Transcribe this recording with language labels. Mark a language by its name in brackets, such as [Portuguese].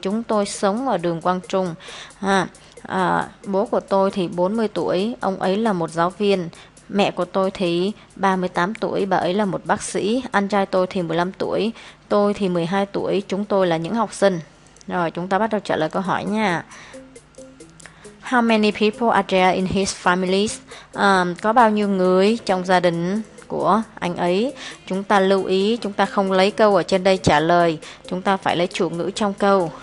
[Vietnamese] Chúng tôi sống ở đường Quang Trung ha. Bố của tôi thì 40 tuổi, ông ấy là một giáo viên. Mẹ của tôi thì 38 tuổi, bà ấy là một bác sĩ. Anh trai tôi thì 15 tuổi, tôi thì 12 tuổi. Chúng tôi là những học sinh. Rồi, chúng ta bắt đầu trả lời câu hỏi nha. [English] How many people are there in his family? [Vietnamese] Có bao nhiêu người trong gia đình của anh ấy? Chúng ta lưu ý, chúng ta không lấy câu ở trên đây trả lời. Chúng ta phải lấy chủ ngữ trong câu.